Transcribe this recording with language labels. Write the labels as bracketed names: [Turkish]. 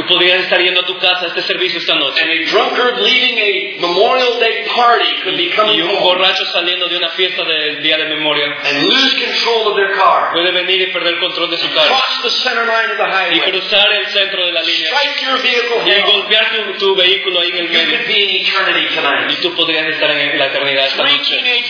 [Spanish] Tú podrías estar yendo a tu casa a este servicio esta noche. [English] And a drunkard leaving a Memorial Day party could be coming home. [Spanish] Y un borracho saliendo de una fiesta del Día de Memoria. [English] And lose control of their car. [Spanish] Puede venir y perder control de su carro. [English] Cross the center line of the highway. [Spanish] Y cruzar el centro de la línea. [English] Strike your vehicle head. [Spanish] Golpear tu vehículo ahí en el medio. Y tú podrías estar en la eternidad esta noche.